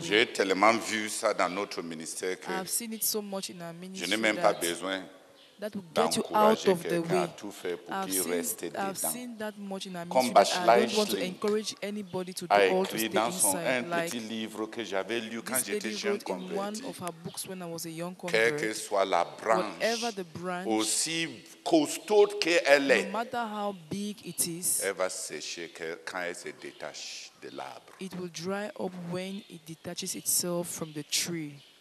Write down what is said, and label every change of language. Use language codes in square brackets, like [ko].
[fr] J'ai tellement vu ça dans notre ministère que [en] I have seen it so much in our ministry. [fr] Je n'ai même pas besoin [en] that will get you out of the way. I've seen that much in our ministry. I don't want to encourage anybody to do all to stay inside. [fr] Like, petit livre que j'avais lu quand [en] this lady wrote [fr] converti, [en] in one of her books when I was a young convert, [fr] que soit la branche, [en] whatever the branch, [fr] aussi costaud qu'elle est, [en] no matter how big it is, [fr] elle va sécher quand elle se détache de l'arbre. [en] It will dry up when it detaches itself from the tree.